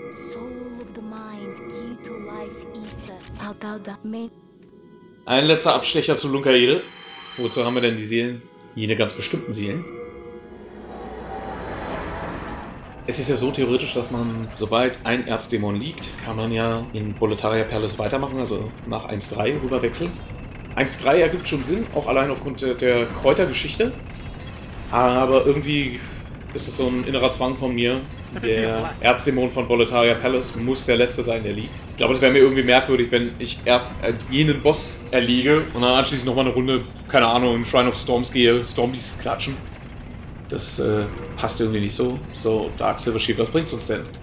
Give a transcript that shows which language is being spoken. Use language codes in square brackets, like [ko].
[en] Soul of the mind, key to life's ether. [de] Ein letzter Abstecher zu Lunkaede. Wozu haben wir denn die Seelen? Jene ganz bestimmten Seelen. Es ist ja so theoretisch, dass man, sobald ein Erzdämon liegt, kann man ja in Boletaria Perlis weitermachen, also nach 1.3 rüberwechseln. 1.3 ergibt schon Sinn, auch allein aufgrund der Kräutergeschichte. Aber irgendwie ist es so ein innerer Zwang von mir. Der Erzdämon von Boletaria Palace muss der letzte sein, der liegt. Ich glaube, es wäre mir irgendwie merkwürdig, wenn ich erst jenen Boss erliege und dann anschließend nochmal eine Runde, keine Ahnung, in Shrine of Storms gehe, Stormbeasts klatschen. Das passt irgendwie nicht so. So, Dark Silver Sheep, was bringt's uns denn?